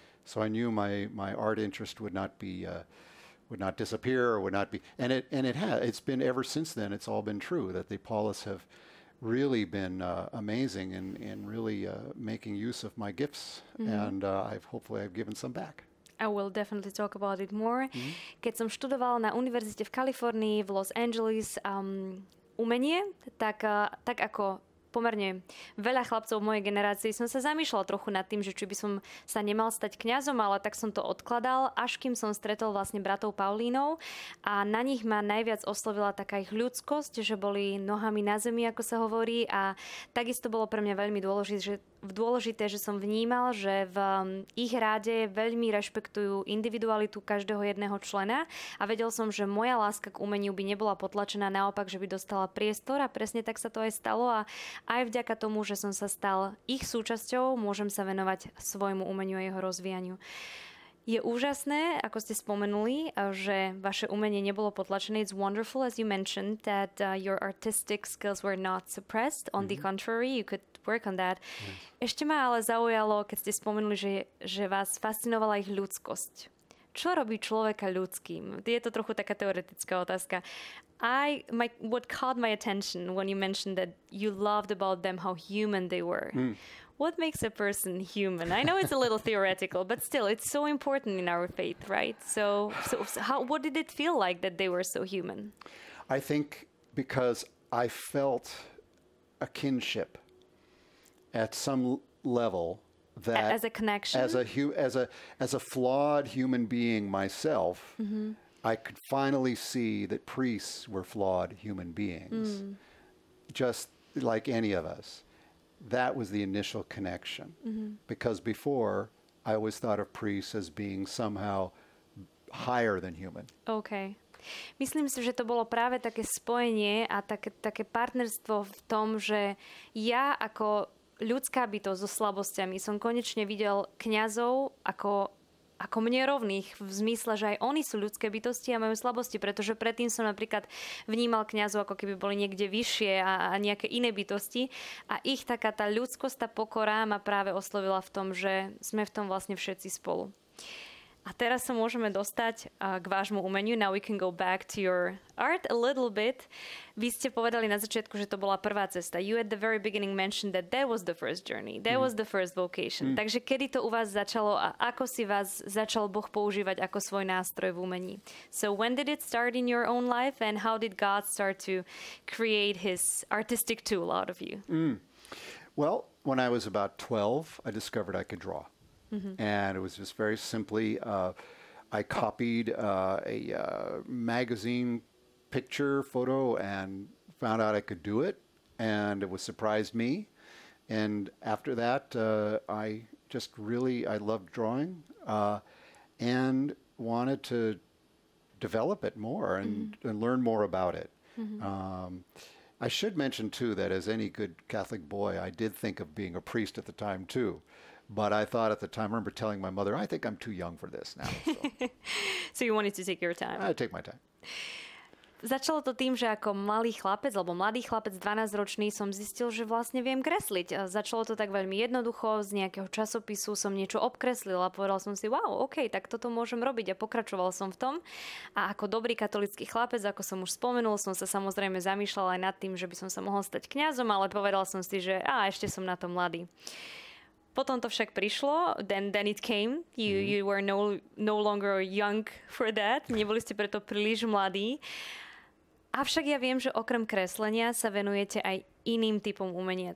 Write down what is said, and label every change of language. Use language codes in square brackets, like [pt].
[en] So I knew my art interest would not disappear or would not be. It's been ever since then, it's all been true that the Paulists have really been amazing and really making use of my gifts. And I've given some back. I will definitely talk about it more. [sk] Keď som študoval na univerzite v Kalifornii, v Los Angeles, umenie, tak ako pomerne veľa chlapcov mojej generácie, som sa zamýšľal trochu nad tým, že či by som sa nemal stať kňazom, ale tak som to odkladal, až kým som stretol vlastne bratov Paulínov a na nich ma najviac oslovila taká ich ľudskosť, že boli nohami na zemi, ako sa hovorí, a takisto bolo pre mňa veľmi dôležité, že som vnímal, že v ich ráde veľmi rešpektujú individualitu každého jedného člena a vedel som, že moja láska k umeniu by nebola potlačená, naopak, že by dostala priestor, a presne tak sa to aj stalo, a aj vďaka tomu, že som sa stal ich súčasťou, môžem sa venovať svojmu umeniu a jeho rozvíjaniu. Je úžasné, ako ste spomenuli, že vaše umenie nebolo potlačené. [en] It's wonderful, as you mentioned, that your artistic skills were not suppressed. On the contrary, you could work on that. [sk] Ešte ma ale zaujalo, keď ste spomenuli, že vás fascinovala ich ľudskosť. čo robí človeka ľudským? Je to trochu taká teoretická otázka. [en] What caught my attention when you mentioned that you loved about them how human they were. Mm. What makes a person human? I know it's a little theoretical, but still, it's so important in our faith, right? So, what did it feel like that they were so human? I think because I felt a kinship at some level that as a connection, as a flawed human being myself, mm-hmm. I could finally see that priests were flawed human beings, mm. just like any of us. That was the initial connection, mm-hmm. because before I always thought of priests as being somehow higher than human. Okay. [sk] Myslím si, že to bolo práve také spojenie a také partnerstvo v tom, že ja ako ľudská bytosť so slabosťami som konečne videl kňazov ako mne rovných v zmysle, že aj oni sú ľudské bytosti a majú slabosti, pretože predtým som napríklad vnímal kňazov ako keby boli niekde vyššie a nejaké iné bytosti a ich taká tá ľudskosť, tá pokora ma práve oslovila v tom, že sme v tom vlastne všetci spolu. A teraz sa môžeme dostať k vášmu umeniu. [en] Now we can go back to your art a little bit. [sk] Vy ste povedali na začiatku, že to bola prvá cesta. [en] You at the very beginning mentioned that that was the first journey. That was the first vocation. Mm. [sk] Takže kedy to u vás začalo a ako si vás začal Boh používať ako svoj nástroj v umení? [en] So when did it start in your own life and how did God start to create his artistic tool out of you? Mm. Well, when I was about 12, I discovered I could draw. Mm-hmm. And it was just very simply, I copied a magazine picture photo and found out I could do it. And it was surprised me. And after that, I loved drawing and wanted to develop it more and, mm-hmm. and learn more about it. Mm-hmm. I should mention, too, that as any good Catholic boy, I did think of being a priest at the time, too. But I thought at the time, I remember telling my mother, I think I'm too young for this now. So, so you wanted to take your time? I take my time. [sk] Začalo to tým, že ako malý chlapec, alebo mladý chlapec, 12-ročný, som zistil, že vlastne viem kresliť. A začalo to tak veľmi jednoducho, z nejakého časopisu som niečo obkreslil a povedal som si, wow, ok, tak toto môžem robiť. A pokračoval som v tom. A ako dobrý katolický chlapec, ako som už spomenul, som sa samozrejme zamýšľal aj nad tým, že by som sa mohol stať kňazom, ale povedal som si, že ešte som na to mladý. Potom to však prišlo, [en] then it came. You were no longer young for that. [sk] Neboli ste preto príliš mladí. Avšak ja viem, že okrem kreslenia sa venujete aj iným typom umenia.